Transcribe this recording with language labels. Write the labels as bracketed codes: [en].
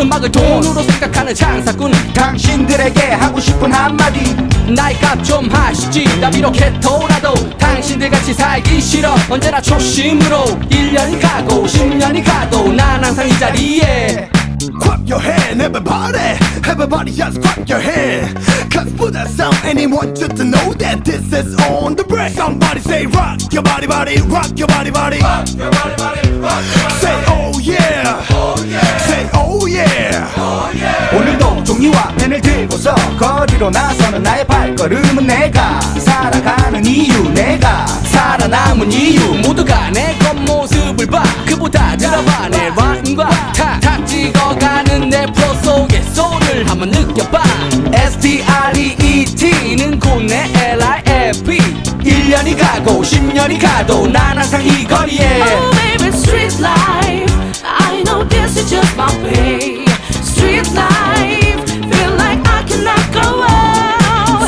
[ko] 음악을 돈으로 생각하는 장사꾼 당신들에게 하고 싶은 한마디 나의 값 좀 하시지 나 이렇게 토라도 당신들 같이 살기 싫어 언제나 초심으로 1년이 가고 10년이 가도 난 항상 이 자리에 [en] Clap your hand, everybody. Everybody just clap your hand. Cause Buda Sound, anyone just to know that this is on the break. Somebody say rock your body, body, rock your body, body. Rock your body, body, rock your body. Say oh yeah, oh yeah. Say oh yeah, oh yeah. [ko] 오늘도 종이와 펜을 들고서 거리로 나서는 나의 발걸음은 내가 살아가는 이유, 내가 살아남은 이유. 모두가 내 겉모습을 봐. 그보다 들어봐 내 rhyme과 탁. 찍어가는 내 프로 속에 소울을 한번 느껴봐 S.T.R.E.E.T는 곧내 L.I.F.E 1년이 가고 10년이 가도 난 항상 이 거리에 [en] Oh baby street life I know this is just my way Street life Feel like I cannot go on